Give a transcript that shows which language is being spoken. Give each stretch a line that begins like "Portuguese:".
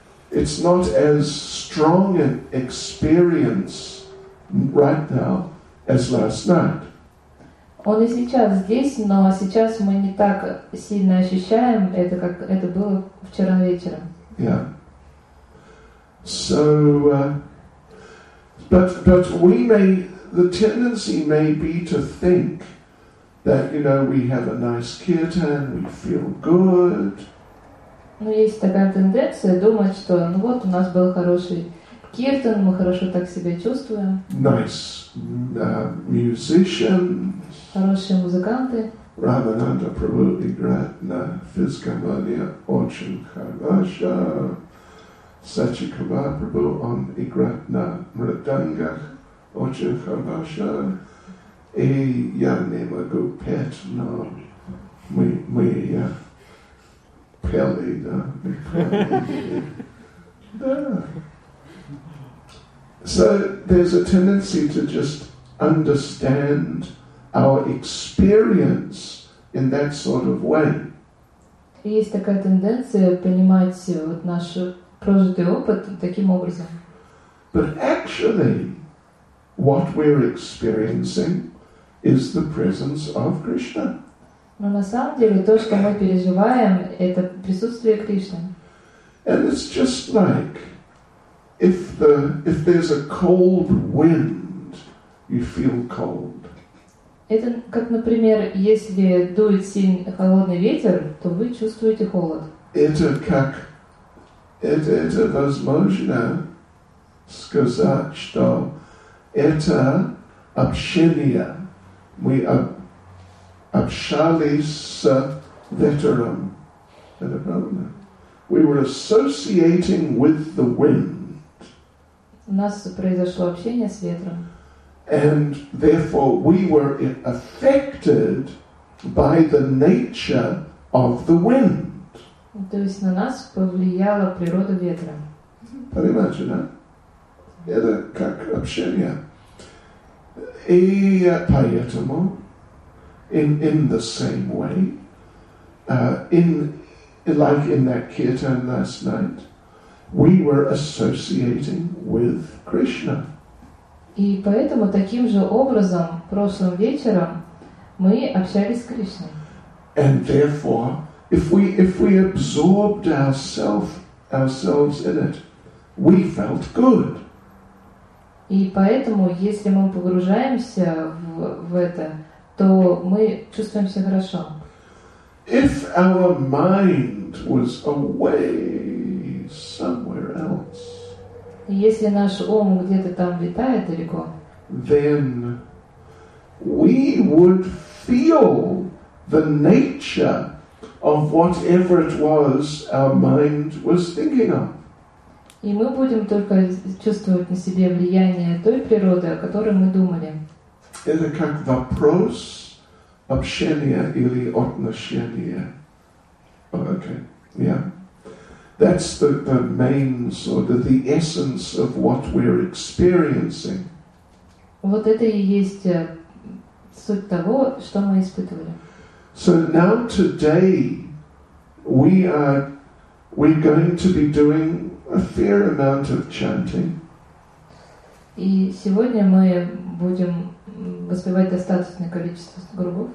English: It's not as strong an experience right now as last night.
Russian: Он и сейчас здесь, но сейчас мы не так сильно ощущаем это, как это было вчера вечером.
English: Yeah. So, But we may, the tendency may be to think that, you know, we have a nice kirtan, we feel good.
Russian: Но есть такая тенденция думать, что ну вот у нас был хороший киртан, мы хорошо так себя чувствуем.
English: Nice musician.
Russian: Хорошие музыканты. Рамананда Прабху играет на физкармонии очень хорошо. Сачикамар Прабху, он играет на мридангах очень хорошо. И я не могу петь, но мы пели, да? Да.
English: So there's a tendency to just understand our experience in that sort of way.
Russian: Есть такая тенденция понимать вот наш прожитый опыт таким образом.
English: But actually, what we're experiencing is the presence of Krishna.
Russian: Но на самом деле то, что мы переживаем, это присутствие Кришны.
English: And it's just like if there's a cold wind, you feel cold.
Russian: Это как, например, если дует сильный холодный ветер, то вы чувствуете холод. Это как, это возможно сказать, что это общение. Мы общались с ветром. Это правильно?
English: We were associating with the wind.
Russian: У нас произошло общение с ветром.
English: And therefore we were affected by the nature of the wind.
Russian: То есть на нас повлияла природа ветра. Понимаете, да? Это как общение. И поэтому
English: in the same way, in that kirtan last night, we were associating with Krishna.
Russian: И поэтому таким же образом прошлым вечером мы общались с Кришной.
English: And therefore, if we absorbed ourselves in it, we felt good.
Russian: И поэтому, если мы погружаемся в это, то мы чувствуем себя хорошо.
English: If our mind was away somewhere else,
Russian: если наш ум где-то там витает далеко,
English: then we would feel the nature of whatever it was our mind was thinking of.
Russian: И мы будем только чувствовать на себе влияние той природы, о которой мы думали. Это как вопрос общения или отношения.
English: Okay, yeah. That's the main sort of the essence of what we're experiencing.
Russian: Вот это и есть суть того, что мы испытывали.
English: So now today we're going to be doing a fair amount of chanting.
Russian: И сегодня мы будем воспевать достаточное количество гругов.